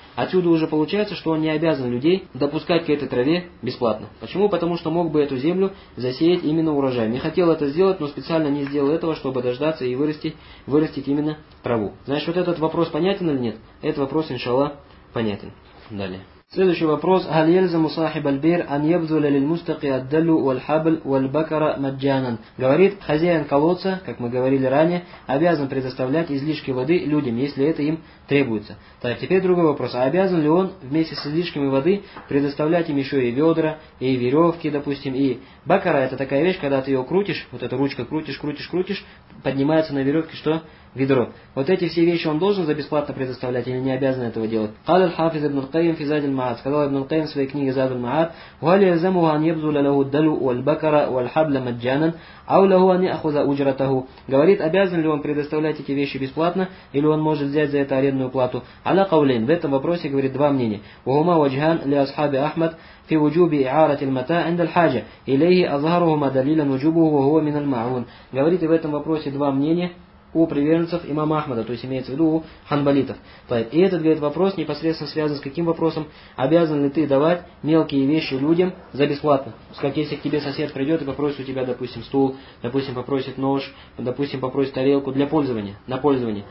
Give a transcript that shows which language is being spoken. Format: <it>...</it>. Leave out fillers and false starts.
<ru>Отсюда уже получается, что он не обязан людей допускать к этой траве бесплатно. Почему? Потому что мог бы эту землю засеять именно урожаем. Не хотел это сделать, но специально не сделал этого, чтобы дождаться и вырастить именно траву. Значит, вот этот вопрос понятен или нет? Этот вопрос, иншалла, понятен. Далее. Следующий вопрос.</ru> <ar>هل يلزم صاحب البير أن يبذل للمستقي الدلو والحبل والبكرة مجانا?</ar> <ru>Говорит, хозяин колодца, как мы говорили ранее, обязан предоставлять излишки воды людям, если это им требуется. Так, теперь другой вопрос. А обязан ли он вместе с излишками воды предоставлять им еще и ведра, и веревки, допустим, и бакара? Это такая вещь, когда ты ее крутишь, вот эта ручка крутишь, поднимается на веревке, что? Ведро. Вот эти все вещи он должен за бесплатно предоставлять или не обязан этого делать?</ru> <ar>قال الحافظ ابن القيم في زاد المعاد.</ar> <ru>Сказал ابن القيم в своей книге زاد المعاد.</ru> <ar>وهل يلزمه أن يبذل له الدلو والبكرة والحبل مجانا أو له أن يأخذ أجرته?</ar> <ru>Говорит, обязан ли он предоставлять эти вещи бесплатно или он может взять за это арендную плату?</ru> <ar>على قولين.</ar> <ru>В этом вопросе говорит два мнения.</ru> <ar>وهما وجهان لأصحاب أحمد في وجوب إعارة المتاع عند الحاجة إليه أظهرهما دليلا وجوبه وهو من المعون.</ar> <ru>Говорит, в этом вопросе два мнения у приверженцев имама Ахмада, то есть имеется в виду у ханбалитов. И этот, говорит, вопрос непосредственно связан с каким вопросом? Обязан ли ты давать мелкие вещи людям за бесплатно? То есть, как если к тебе сосед придет и попросит у тебя, допустим, стул, допустим, попросит нож, допустим, попросит тарелку для пользования, на пользование.</ru>